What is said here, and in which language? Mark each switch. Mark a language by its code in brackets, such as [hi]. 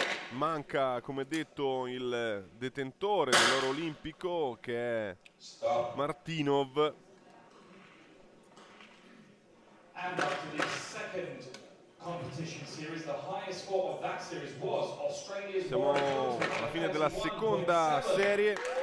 [it] manca, come detto, il detentore dell'oro olimpico, che è Martinov. [en] And after the second competition series, the highest score of that series was Australia's. [it] Siamo alla fine della seconda serie.